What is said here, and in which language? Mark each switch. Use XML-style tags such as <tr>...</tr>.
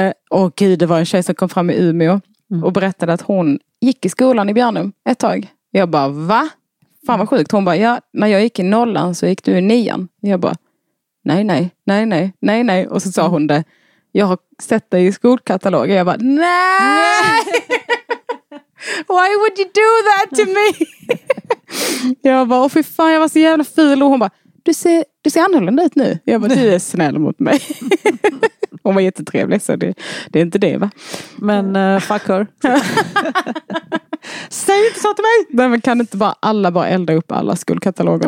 <sv>Och gud, det var en tjej som kom fram i Umeå. Mm. Och berättade att hon gick i skolan i Björnum ett tag. Jag bara, va? Fan vad sjukt. Hon bara, ja, när jag gick i nollan så gick du i nian. Jag bara, nej, nej, nej, nej, nej, nej. Och så sa hon det. Jag har sett dig i skolkatalogen. Jag bara, nej!</sv> <en>Why would you do that to me?</en> <sv>Jag bara, åh fy fan, jag var så jävla ful. Och hon bara, du ser annorlunda ut nu. Jag bara, du är snäll mot mig. Hon var jättetrevlig, så det är inte det, va? Men</sv> <en>fuck her.</en> <sv>Säg inte så till mig! Nej, men kan inte bara alla bara elda upp alla skuldkataloger?</sv>